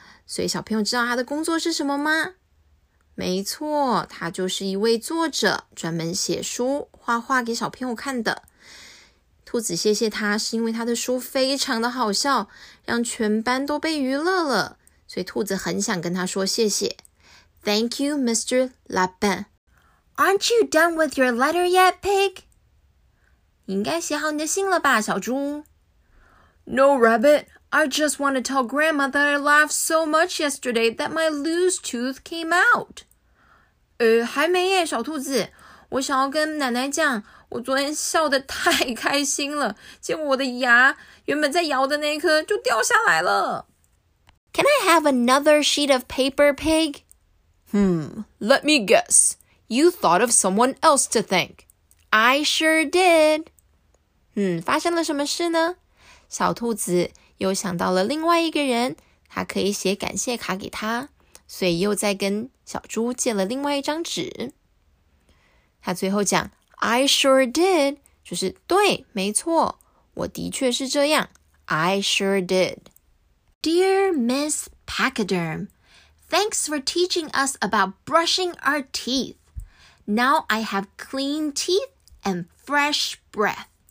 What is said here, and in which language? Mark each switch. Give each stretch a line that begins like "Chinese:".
Chinese: 所以小朋友知道他的工作是什么吗？没错，他就是一位作者，专门写书、画画给小朋友看的。兔子谢谢他，是因为他的书非常的好笑，让全班都被娱乐了，所以兔子很想跟他说谢谢。
English: Thank you, Mr. 拉班。 Aren't you done with your letter yet, Pig?
Chinese: 你应该写好你的信了吧，小猪。
English: No, Rabbit. I just want to tell Grandma that I laughed so much yesterday that my loose tooth came out.
Chinese: 还没耶，小兔子。我想要跟奶奶讲，我昨天笑得太开心了，结果我的牙原本在摇的那一颗就掉下来了。
English: Can I have another sheet of paper, Pig? Let me guess. You thought of someone else to thank. I sure did.
Chinese: 发生了什么事呢？小兔子又想到了另外一个人，他可以写感谢卡给他，所以又再跟小猪借了另外一张纸。他最后讲
English: I sure did,
Chinese: 就是对，没错，我的确是这样。
English: I sure did. Dear Miss Pachyderm, thanks for teaching us about brushing our teeth. Now I have clean teeth and fresh breath.